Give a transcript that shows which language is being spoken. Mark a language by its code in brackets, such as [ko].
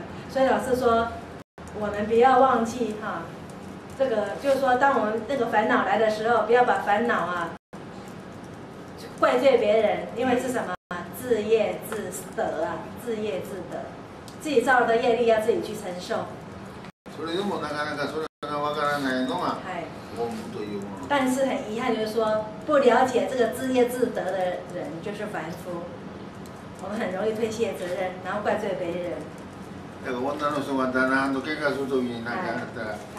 [zh] 所以老师说，我们不要忘记哈。这个就是说，当我们那个烦恼来的时候，不要把烦恼啊怪罪别人，因为是什么？自业自得啊，自业自得，自己造的业力要自己去承受。 [ja] それでもなかなかそれがわからないのが煩悩というもの。 [zh] 但是很遗憾，就是说不了解这个自业自得的人就是凡夫，我们很容易推卸责任，然后怪罪别人。 [ja] だから女の人が旦那と喧嘩するときに何かあったら。